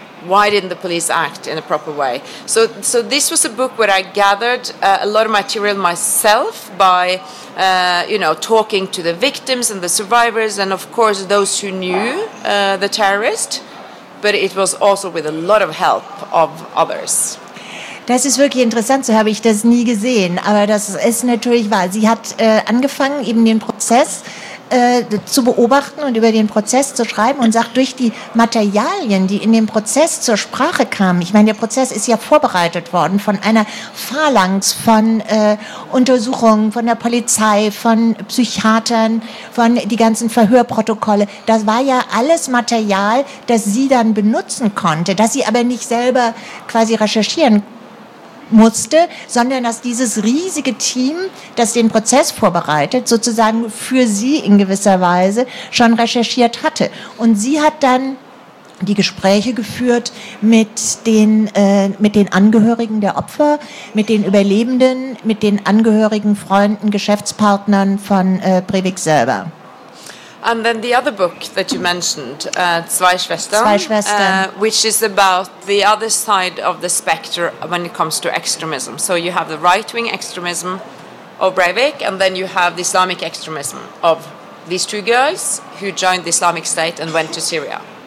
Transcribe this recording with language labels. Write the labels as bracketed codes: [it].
[en] Why didn't the police act in a proper way? So this was a book where I gathered a lot of material myself by, talking to the victims and the survivors and, of course, those who knew the terrorist. But it was also with a lot of help of others. [de] Das ist wirklich interessant, so habe ich das nie gesehen. Aber das ist natürlich wahr. Sie hat angefangen, eben den Prozess zu beobachten und über den Prozess zu schreiben und sagt, durch die Materialien, die in dem Prozess zur Sprache kamen, ich meine, der Prozess ist ja vorbereitet worden von einer Phalanx von Untersuchungen von der Polizei, von Psychiatern, von die ganzen Verhörprotokolle, das war ja alles Material, das sie dann benutzen konnte, das sie aber nicht selber quasi recherchieren musste, sondern dass dieses riesige Team, das den Prozess vorbereitet, sozusagen für sie in gewisser Weise schon recherchiert hatte. Und sie hat dann die Gespräche geführt mit den Angehörigen der Opfer, mit den Überlebenden, mit den Angehörigen, Freunden, Geschäftspartnern von Breivik selber. [en] And then the other book that you mentioned, Zwei Schwestern, which is about the other side of the specter when it comes to extremism. So you have the right-wing extremism of Breivik, and then you have the Islamic extremism of these two girls who joined the Islamic State and went to Syria.